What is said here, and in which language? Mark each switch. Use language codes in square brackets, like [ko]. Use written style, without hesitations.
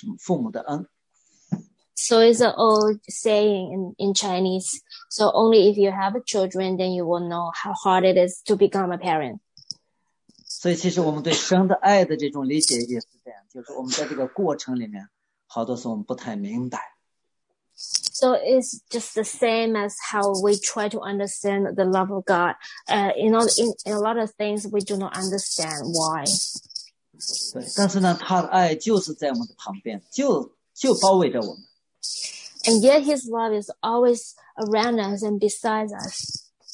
[zh] 就像中国有句话说，不言而不知道什么父母的恩。So [en] it's an old saying in Chinese. So only if you have children, then you will know how hard it is to become a parent. [zh] 所以其实我们对神的爱的这种理解也是这样，就是我们在这个过程里面，好多时候我们不太明白。 [en] So it's just the same as how we try to understand the love of God. In a lot of things, we do not understand why. [zh] 对，但是呢，他的爱就是在我们的旁边，就包围着我们。 [en] And yet his love is always around us and beside us.